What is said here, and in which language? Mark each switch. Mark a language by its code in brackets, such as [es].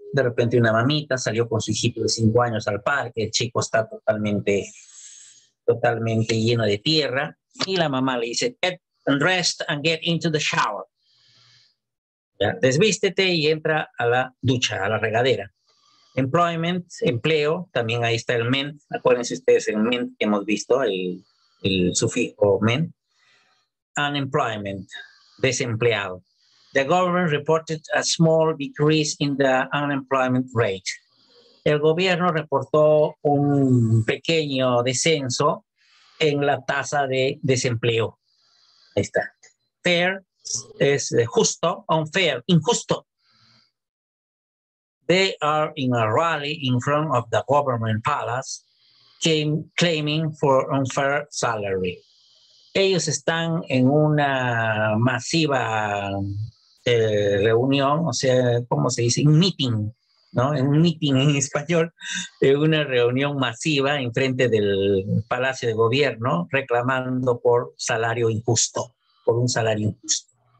[es] De repente una mamita salió con su hijito de 5 años al parque, el chico está totalmente lleno de tierra y la mamá le dice, [en] get undressed and get into the shower. [es] Ya, desvístete y entra a la ducha, a la regadera. Employment, empleo, también ahí está el men. Acuérdense ustedes, el men que hemos visto, el sufijo men. Unemployment, desempleado. [en] The government reported a small decrease in the unemployment rate. [es] El gobierno reportó un pequeño descenso en la tasa de desempleo. Ahí está. Fair. Es justo, unfair, injusto. [en] They are in a rally in front of the government palace claiming for unfair salary. [es] Ellos están en una masiva reunión, o sea, ¿cómo se dice? Un meeting, ¿no? Un meeting en español, una reunión masiva en frente del palacio de gobierno reclamando por salario injusto, por un salario injusto.